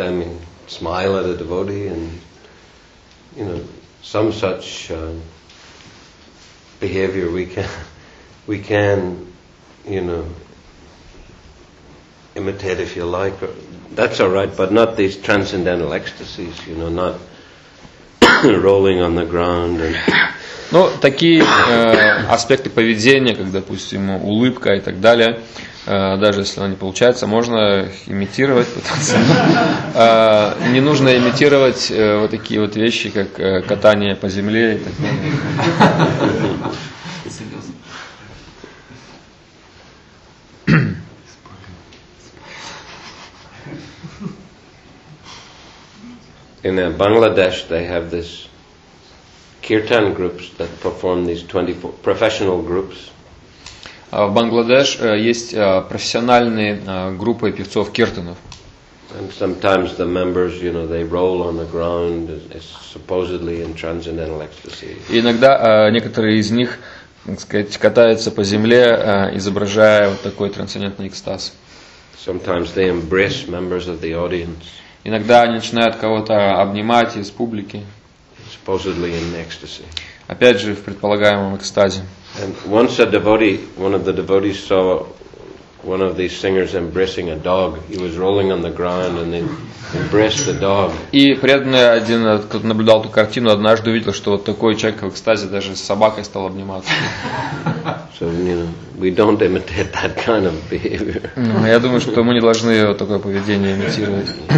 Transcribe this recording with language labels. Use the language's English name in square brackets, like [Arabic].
[English] I mean, smile at a devotee, and you know, some such behavior we can, you know, imitate if you like. That's all right, but not these transcendental ecstasies, you know, not rolling on the ground. And [Russian] ну, такие аспекты поведения, как, допустим, улыбка и так далее, даже если она не получается, можно имитировать, пытаться. Не нужно имитировать вот такие вот вещи, как катание по земле и так далее. [English] In Bangladesh, they have this kirtan groups that perform these 24 professional groups. [Russian] В Бангладеш есть профессиональные группы певцов киртанов. [English] And sometimes the members, you know, they roll on the ground, supposedly in transcendental ecstasy. [Russian] Иногда некоторые из них, так сказать, катаются по земле, изображая вот такой трансцендентный экстаз. [English] Sometimes they embrace members of the audience. [Russian] Иногда они начинают кого-то обнимать из публики. [English] Supposedly in ecstasy. [Russian] Опять же, в предполагаемом экстазе. [English] And once a devotee, one of the devotees saw one of these singers embracing a dog. He was rolling on the ground and they embraced the dog. [Russian] И преданный один, кто наблюдал эту картину, однажды увидел, что вот такой человек в экстазе даже с собакой стал обниматься. [English] So, you know, we don't imitate that kind of behavior. [Russian] Я думаю, что мы не должны вот такое поведение имитировать.